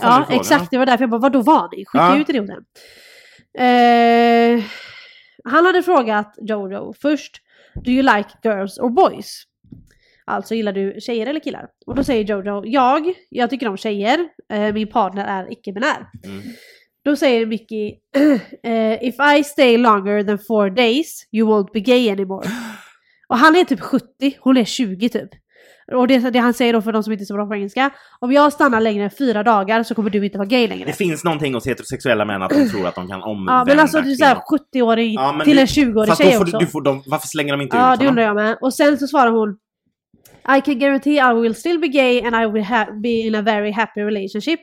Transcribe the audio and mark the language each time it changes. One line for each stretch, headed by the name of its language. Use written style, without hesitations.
Swedish: Ja, exakt, det var därför jag bara, vadå varning? Skicka ut det åt den. Han hade frågat Jojo först,
English: do you like girls or boys?
Swedish: Alltså, gillar du tjejer eller killar? Och då säger Jojo, jag tycker om tjejer, min partner är icke-binär. Då säger Mickey,
English: if I stay longer than 4 days, you won't be gay anymore.
Swedish: Och han är typ 70, hon är 20 typ. Och det han säger då, för de som inte är så bra på engelska, om jag stannar längre än 4 dagar så kommer du inte vara gay längre. Det finns någonting hos heterosexuella män att de tror att de kan omvända. Ja, men alltså du säger 70-årig till en 20-årig tjej också. Varför slänger de inte ut honom? Ja, det undrar jag med. Och sen så svarar hon,
English: I can guarantee I will still be gay and I will be in a very happy relationship.